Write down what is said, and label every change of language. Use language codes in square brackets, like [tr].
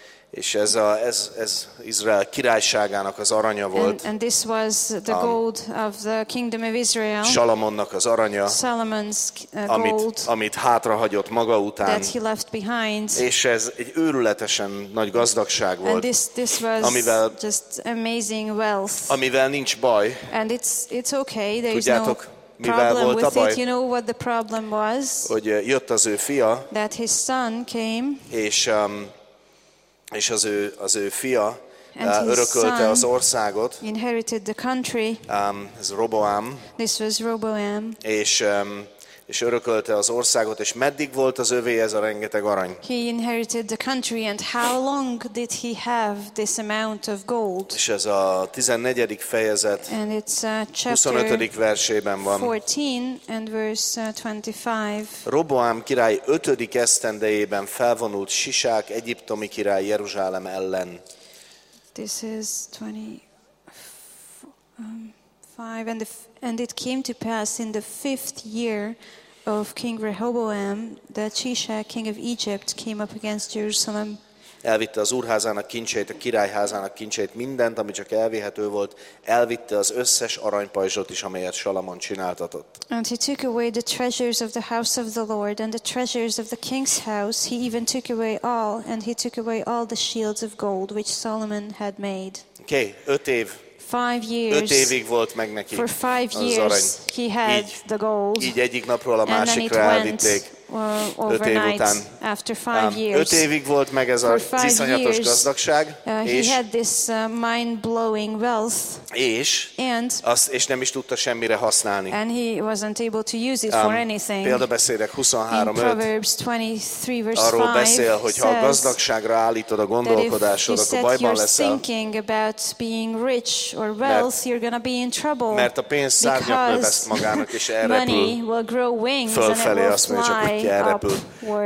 [hu] És ez Izrael királyságának az aranya volt. [en] And this was the gold of the kingdom of Israel. [hu] Salamonnak az aranya. [en] Solomon's gold. [hu] Amit hátrahagyott maga után. [en] That he left behind. [hu] És ez egy őrületesen nagy gazdagság volt. [en] And this was [hu] amivel, [en] just amazing wealth. [hu] Amivel nincs baj. [en] And it's okay. There is no problem with [hu] baj, [en] it. You know what the problem was? [hu] Hogy jött az ő fia. [en] That his son came. [hu] És az ő fia örökölte az országot. [en] Inherited the country. [hu] Ez Roboám. [en] This was Roboam. [hu] És örökölte az országot, és meddig volt az övé ez a rengeteg arany? [en] He inherited the country and how long did he have this amount of gold? [hu] És ez a 14. fejezet. [en] And it's [hu] chapter 25. versében van. [en] 14 and verse 25. [hu] Roboám király 5. esztendejében felvonult Sisák egyiptomi király Jeruzsálem ellen. [en] This is 25 and it came to pass in the 5th year of King Rehoboam that Shishak, king of Egypt, came up against Jerusalem. [hu] Elvitte az úrházának kincseit, a királyházának kincseit, mindent, ami csak elvihető volt, elvitte az összes aranypajzsot is, amelyet Salamon csináltatott. [en] And he took away the treasures of the house of the Lord and the treasures of the king's house. He even took away all, and he took away all the shields of gold which Solomon had made. [hu] Okay, 5 év. [en] 5 years. [hu] 5 évig volt meg neki. [en] For 5 years [hu] arany. [en] He had the gold. [hu] Így egyik napról a másikra elvitték. 5 év után. [en] After 5 years. [hu] 5 évig volt meg ez a iszonyatos gazdagság. [en] He had this mind-blowing wealth. [hu] És nem is tudta semmire használni. [en] And he wasn't able to use it for anything. [hu] Példabeszédek [en] 23:5. Proverbs 23 verse 5. [hu] Arról beszél, hogy ha a gazdagságra állítod a gondolkodásod, akkor bajban leszel. [en] Thinking about being rich or wealth, you're gonna be in trouble. [hu] Mert a pénz szárnyat növeszt magának, és elrepül. [en] Money will grow wings [hu] fölfelé, [en] and it will fly.